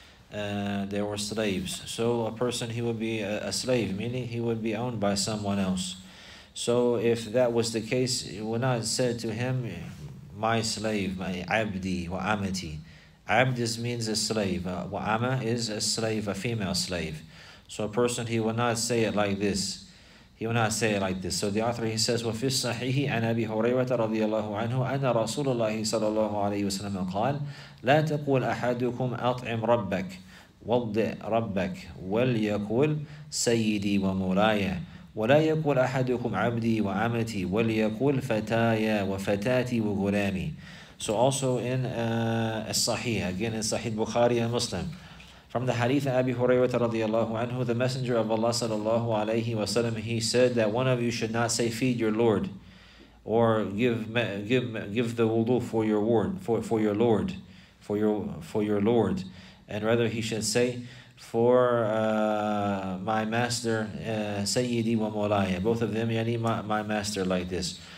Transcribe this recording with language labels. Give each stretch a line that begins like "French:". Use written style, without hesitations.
English: There were slaves. So a person, he would be a slave, meaning he would be owned by someone else. So if that was the case, it would not said to him, my slave, my abdi wa amati. Abd means a slave. Wa ama is a slave, a female slave. So a person, he would not say it like this.
Arabic: He would not say it like this.
English: So the author, he says,
Arabic: وَفِي الصَّحِيحِ عَنْ أَبِي هُرَيْرَةَ رَضِيَ اللَّهُ عَنْهُ أَنَّ رَسُولَ اللَّهِ صَلَى اللَّهُ عَلَيْهِ وَسَلَمَ قَالَ لا تقول أحدكم أطعم ربك وضع ربك وليقول سيدي ومولاي ولا يقول أحدكم عبدي وعمتي وليقول فتايا وفتاتي وغلامي.
English: So also in الصحيح, again in صحيح البخاري and Muslim, from the hadith of Abi Hurairah radiallahu anhu, the Messenger of Allah sallallahu alayhi wa sallam, he said that one of you should not say feed your Lord, or give the wudu for your word, for your Lord, for your Lord, and rather he should say, for my master, Sayyidi wa Mulaya, both of them, yani my master, like this.